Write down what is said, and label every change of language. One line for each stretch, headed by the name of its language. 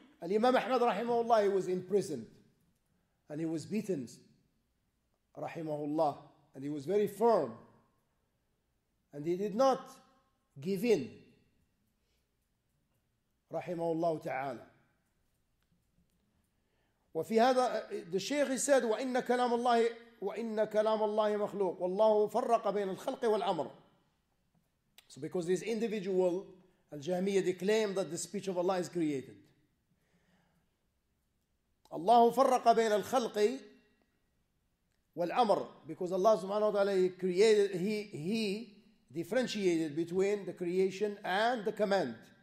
English: Al-Imam Ahmad rahimahullah, he was imprisoned and he was beaten rahimahullah, and he was very firm and he did not give in rahimahullah ta'ala.
Arabic: وفي هذا
English: the Sheikh said
Arabic: وإن كلام الله مخلوق والله فرق بين الخلق والأمر.
English: So because this individual Al-Jahmiyyah, they claim that the speech of Allah is created.
Arabic: الله فرق بين الخلق والأمر,
English: because Allah subhanahu wa ta'ala he differentiated between the creation and the command.